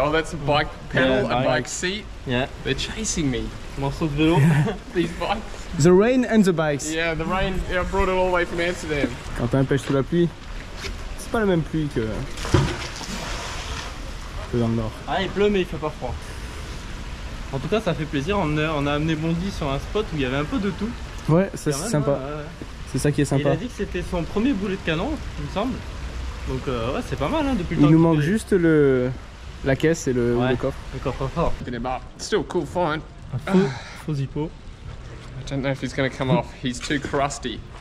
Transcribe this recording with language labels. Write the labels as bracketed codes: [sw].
[en] Oh, that's a bike pedal, a bike seat. Yeah. They're chasing me. [fr] Morceau de vélo. [en] These bikes. The rain and the bikes. Yeah, the rain, yeah, brought it all the way from Amsterdam. [fr] Quand on pêche sous la pluie, c'est pas la même pluie que dans le nord. Ah, il pleut, mais il fait pas froid. En tout cas, ça fait plaisir, on a amené Bondi sur un spot où il y avait un peu de tout. Ouais, ça c'est sympa. C'est ça qui est sympa. Il a dit que c'était son premier boulet de canon, il me semble. Donc ouais, c'est pas mal hein, depuis le temps. Il nous manque juste la caisse et le coffre. Le coffre fort. [en] Still cool find. [fr] Faux hippo. [en] I don't know if he's gonna come off, he's too crusty.